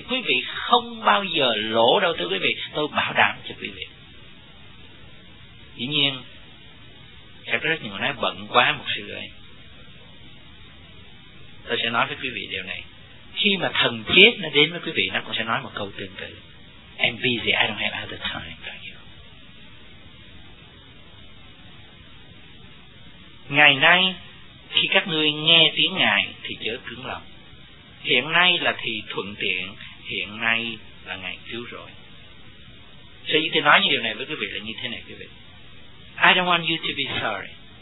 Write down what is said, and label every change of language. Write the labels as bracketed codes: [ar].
[vi] Quý vị không bao giờ lỗ đâu, thưa quý vị. Tôi bảo đảm cho quý vị. Dĩ nhiên, sẽ có rất nhiều người nói bận quá một sự ơi. Tôi sẽ nói với quý vị điều này. Khi mà thần chết nó đến với quý vị, nó cũng sẽ nói một câu tương tự. [en] I'm busy, I don't have other time for you. [vi] Ngày nay, khi các ngươi nghe tiếng Ngài thì chớ cứng lòng. Hiện nay là thì thuận tiện, hiện nay là ngày cứu rồi. Sở dĩ tôi nói như điều này với quý vị là như thế này quý vị. [en] I don't want you to be sorry.